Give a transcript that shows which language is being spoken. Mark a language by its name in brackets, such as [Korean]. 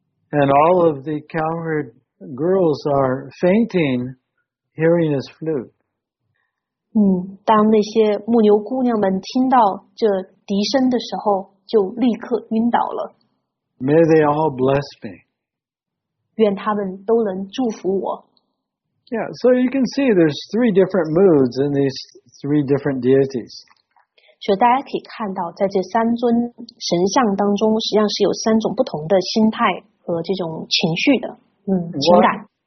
[English] And all of the cowherd girls are fainting hearing his flute. [Chinese] 当那些牧牛姑娘们听到这笛声的时候，就立刻晕倒了。 [English] May they all bless me. [Chinese] 愿他们都能祝福我。 [English] Yeah, so you can see there's three different moods in these three different deities. [Chinese] 所以大家可以看到，在这三尊神像当中，实际上是有三种不同的心态和这种情绪的，情感。